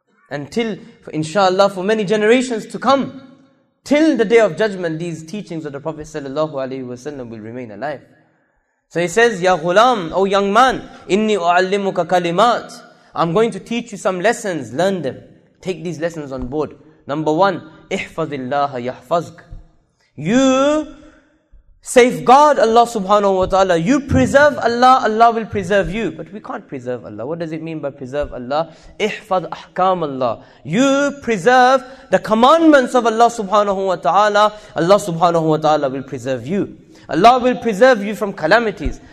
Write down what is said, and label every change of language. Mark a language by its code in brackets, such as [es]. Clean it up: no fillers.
[en] Until, inshallah, for many generations to come. Till the day of judgment, these teachings of the Prophet sallallahu alaihi wasallam will remain alive. So he says, [ar] Ya ghulam, [en] O young man, [ar] inni u'allimuka kalimat. [en] I'm going to teach you some lessons, learn them. Take these lessons on board. Number one, [ar] احفظ الله يحفظك. [en] You safeguard Allah subhanahu wa ta'ala. You preserve Allah, Allah will preserve you. But we can't preserve Allah. What does it mean by preserve Allah? [ar] احفظ احكام الله. [en] You preserve the commandments of Allah subhanahu wa ta'ala. Allah subhanahu wa ta'ala will preserve you. Allah will preserve you from calamities.